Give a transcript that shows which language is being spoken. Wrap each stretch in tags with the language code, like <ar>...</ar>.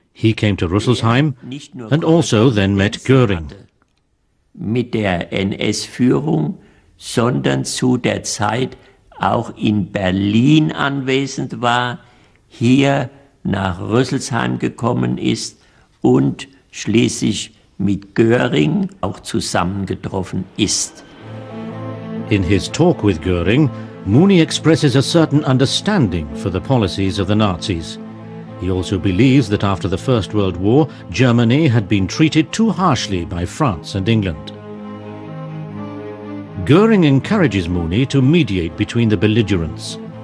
<en>He came to Rüsselsheim and also then met Göring.</en> <de>Mit der NS-Führung, sondern zu der Zeit auch in Berlin anwesend war, hier nach Rüsselsheim gekommen ist und schließlich mit Göring auch zusammengetroffen ist.</de> <en>In his talk with Göring, Mooney expresses a certain understanding for the policies of the Nazis. He also believes that after the First World War, Germany had been treated too harshly by France and England. Göring encourages Mooney to mediate between the belligerents.</en>